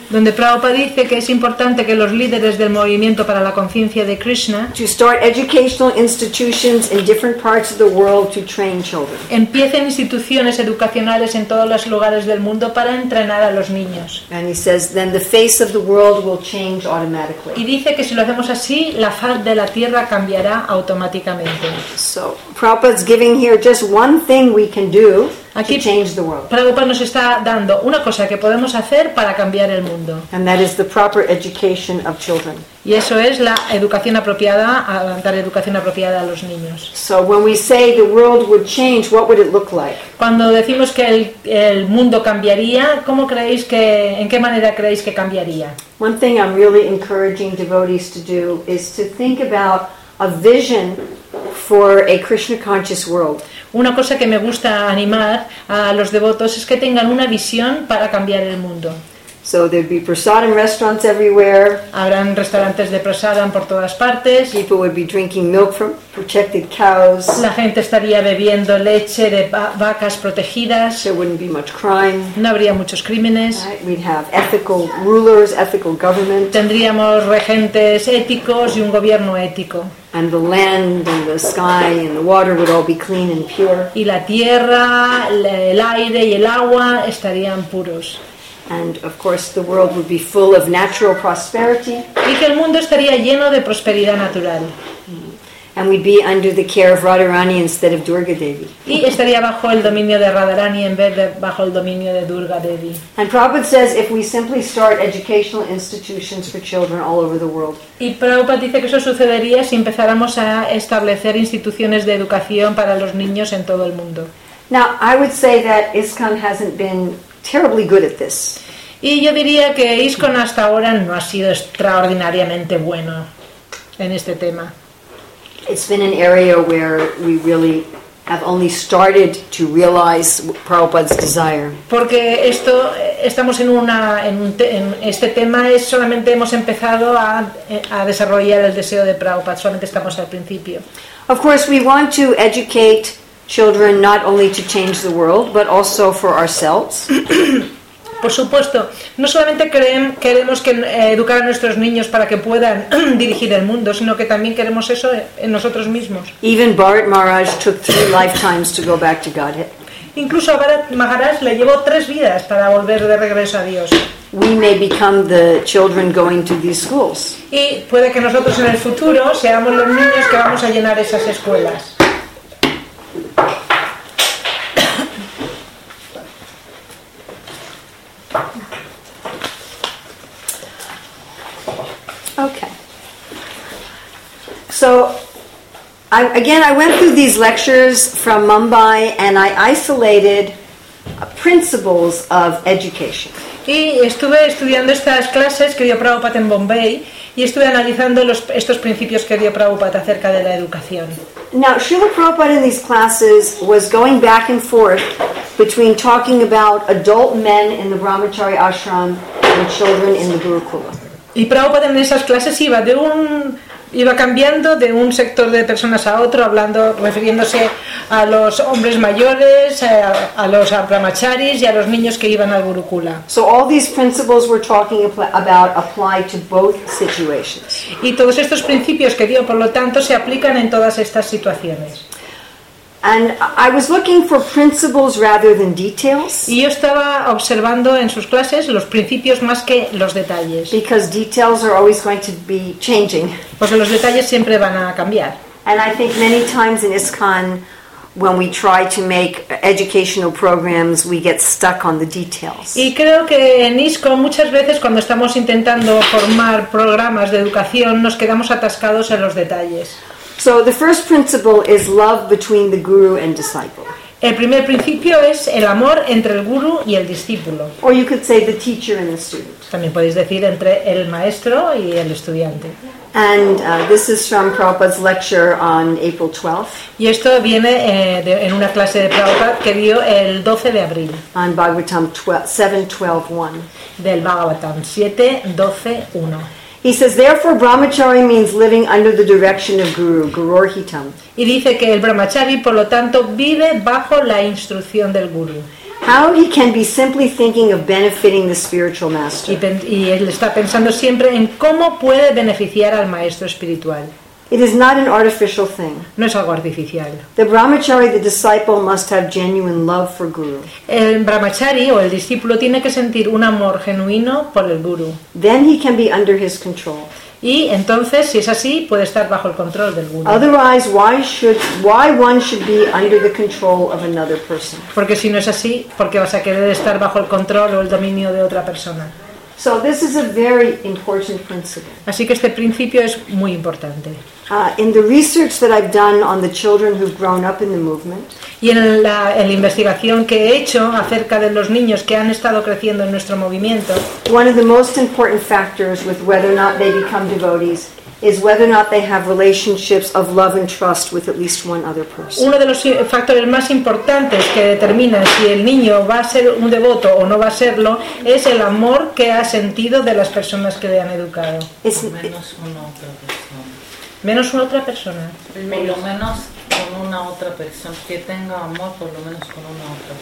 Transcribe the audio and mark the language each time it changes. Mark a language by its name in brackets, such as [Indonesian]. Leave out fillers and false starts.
[Spanish] Donde Prabhupada dice que es importante que los líderes del movimiento para la conciencia de Krishna [English] to start educational institutions in different parts of the world to train children. [Spanish] Empiecen instituciones educacionales en todos los lugares del mundo para entrenar a los niños. [English] And he says then the face of the world will change automatically. [Spanish] Y dice que si lo hacemos así, la faz de la tierra cambiará automáticamente. [English] So Prabhupada's giving here just one thing we can do. [Spanish] Aquí Prabhupada nos está dando una cosa que podemos hacer para cambiar el mundo. [English] And that is the proper education of children. [Spanish] Y eso es la educación apropiada, dar educación apropiada a los niños. [English] So when we say the world would change, what would it look like? [Spanish] Cuando decimos que el mundo cambiaría, ¿cómo creéis que, en qué manera creéis que cambiaría? [English] One thing I'm really encouraging devotees to do is to think about a vision for a Krishna conscious world. [Spanish] Una cosa que me gusta animar a los devotos es que tengan una visión para cambiar el mundo. [English] So there'd be prasadam restaurants everywhere. [Spanish] Habrán restaurantes de prasadam por todas partes. [English] People would be drinking milk from protected cows. [Spanish] La gente estaría bebiendo leche de vacas protegidas. [English] There wouldn't be much crime. [Spanish] No habría muchos crímenes. [English] Right? We'd have ethical rulers, ethical government. [Spanish] Tendríamos regentes éticos y un gobierno ético. [English] And the land and the sky and the water would all be clean and pure. [Spanish] Y la tierra, el aire y el agua estarían puros. [English] And of course the world would be full of natural prosperity. [Spanish] Y que el mundo estaría lleno de prosperidad natural. [English] And we'd be under the care of Radharani instead of Durga Devi. [Spanish] Y estaría bajo el dominio de Radharani en vez de bajo el dominio de Durga Devi. [English] And Prabhupada says if we simply start educational institutions for children all over the world. [Spanish] Y Prabhupada dice que eso sucedería si empezáramos a establecer instituciones de educación para los niños en todo el mundo. [English] Now I would say that ISKCON hasn't been terribly good at this. [Spanish] Y yo diría que ISKCON hasta ahora no ha sido extraordinariamente bueno en este tema. [English] It's been an area where we really have only started to realize Prabhupada's desire. [Spanish] Porque esto estamos en una en este tema es solamente hemos empezado a desarrollar el deseo de Prabhupada, solamente estamos al principio. [English] Of course, we want to educate children not only to change the world but also for ourselves. [Spanish] Por supuesto, no solamente queremos que educar a nuestros niños para que puedan dirigir el mundo, sino que también queremos eso en nosotros mismos. [English] Even Bharat Maharaj took 3 lifetimes to go back to Godhead. [Spanish] Incluso a Bharat Maharaj le llevó 3 vidas para volver de regreso a Dios. [English] We may become the children going to these schools. [Spanish] Y puede que nosotros en el futuro seamos los niños que vamos a llenar esas escuelas. [English] Okay. So, I went through these lectures from Mumbai and I isolated principles of education. [Spanish] Y estuve estudiando estas clases que dio Prabhupada en Bombay y estuve analizando estos principios que dio Prabhupada acerca de la educación. [English] Now, Srila Prabhupada in these classes was going back and forth between talking about adult men in the Brahmachari ashram and children in the Gurukula. [Spanish] Y Prabhupada en esas clases iba cambiando de un sector de personas a otro, refiriéndose a los hombres mayores, a los brahmacharis y a los niños que iban al gurukula. [English] So all these principles we're talking about apply to both situations. [Spanish] Y todos estos principios que digo, por lo tanto, se aplican en todas estas situaciones. [English] And I was looking for principles rather than details. [Spanish] Y yo estaba observando en sus clases los principios más que los detalles. [English] Because details are always going to be changing. [Spanish] Porque los detalles siempre van a cambiar. [English] And I think many times in ISKCON, when we try to make educational programs, we get stuck on the details. [Spanish] Y creo que en ISKCON muchas veces cuando estamos intentando formar programas de educación nos quedamos atascados en los detalles. [English] So the first principle is love between the guru and disciple. [Spanish] El primer principio es el amor entre el guru y el discípulo. [English] Or you could say the teacher and the student. [Spanish] También podéis decir entre el maestro y el estudiante. [English] And this is from Prabhupada's lecture on April 12th. [Spanish] Y esto viene en una clase de Prabhupada que dio el 12 de abril. [English] On Bhagavatam 7.12.1. [Spanish] Del Bhagavatam 7.12.1. [English] He says, therefore, brahmachari means living under the direction of guru, gurorhitam. [Spanish] Y dice que el brahmachari, por lo tanto, vive bajo la instrucción del guru. [English] How he can be simply thinking of benefiting the spiritual master. [Spanish] Y él está pensando siempre en cómo puede beneficiar al maestro espiritual. [English] It is not an artificial thing. [Spanish] No es algo artificial. [English] The brahmachari, the disciple, must have genuine love for guru. [Spanish] El brahmachari o el discípulo tiene que sentir un amor genuino por el guru. [English] Then he can be under his control. [Spanish] Y entonces, si es así, puede estar bajo el control del guru. [English] Otherwise, why one should be under the control of another person? [Spanish] Porque si no es así, ¿por qué vas a querer estar bajo el control o el dominio de otra persona? [English] So this is a very important principle. [Spanish] Así que este principio es muy importante. [English] In the research that I've done on the children who've grown up in the movement. [Spanish] Y en la investigación que he hecho acerca de los niños que han estado creciendo en nuestro movimiento. [English] One of the most important factors with whether or not they become devotees is whether or not they have relationships of love and trust with at least one other person. [Spanish] Uno de los factores más importantes que determina si el niño va a ser un devoto o no va a serlo es el amor que ha sentido de las personas que le han educado. Menos una otra persona. Menos una otra persona. Por lo menos con una otra persona que tenga amor, por lo menos con una otra persona.